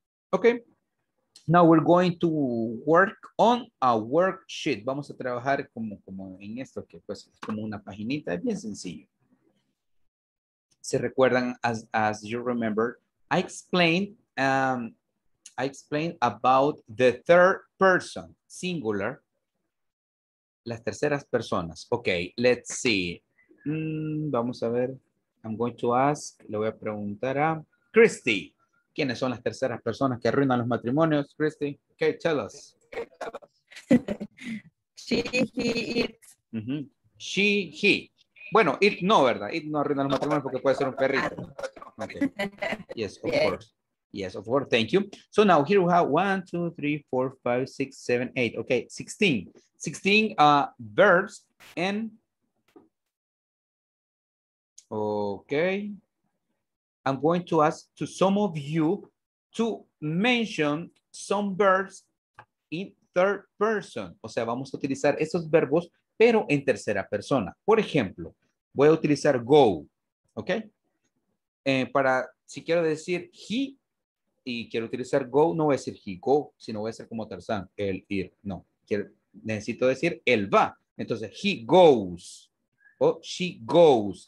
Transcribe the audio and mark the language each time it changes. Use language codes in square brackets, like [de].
[en] Okay, now we're going to work on a worksheet. [es] Vamos a trabajar como en esto, que pues es como una paginita, es bien sencillo. Se recuerdan, [en] as you remember, I explained... I explained about the third person, singular. [es] Las terceras personas. Okay, [en] let's see. [es] Vamos a ver. [en] I'm going to ask, [es] le voy a preguntar a Christy. ¿Quiénes son las terceras personas que arruinan los matrimonios, Christy? [en] Okay, tell us. She, he, it. [es] Uh-huh. She, he. Bueno, it no, ¿verdad? It no arruina los matrimonios porque puede ser un perrito. [en] Okay. Yes, of course. Yes, of course. Thank you. So now here we have 1, 2, 3, 4, 5, 6, 7, 8. Okay, 16. 16 verbs and... Okay. I'm going to ask to some of you to mention some verbs in third person. [es] O sea, vamos a utilizar esos verbos, pero en tercera persona. Por ejemplo, voy a utilizar go, ¿ok? Para, si quiero decir he, y quiero utilizar go, no voy a decir he, go, sino voy a ser como Tarzán, el ir, no. Quiero, necesito decir él va. Entonces, [en] he goes, [es] o [en] she goes.